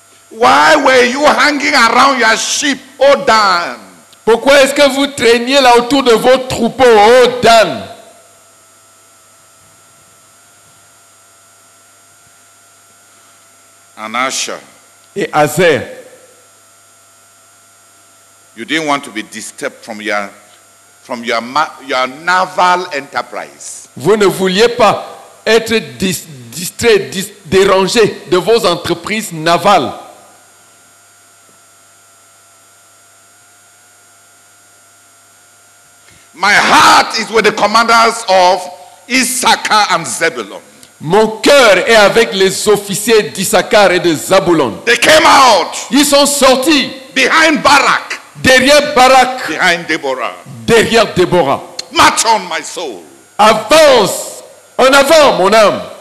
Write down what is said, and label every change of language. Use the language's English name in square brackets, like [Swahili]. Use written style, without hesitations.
[English] Why were you hanging around your sheep, O Dan? [French] Pourquoi est-ce que vous traîniez là autour de vos troupeaux, O Dan? [English] And Asher. [French] Et Azer. [English] You didn't want to be disturbed from your naval enterprise. [French] Vous ne vouliez pas être distrait, dérangé de vos entreprises navales. [English] My heart is with the commanders of Issachar and Zebulun. [French] Mon cœur est avec les officiers d'Issachar et de Zabulon. [English] They came out. [French] Ils sont sortis. [English] Behind Barak. [French] Derrière Barak. [English] Behind Deborah. [French] Derrière Deborah. [English] March on, my soul. [French] Avance, en avant, mon âme.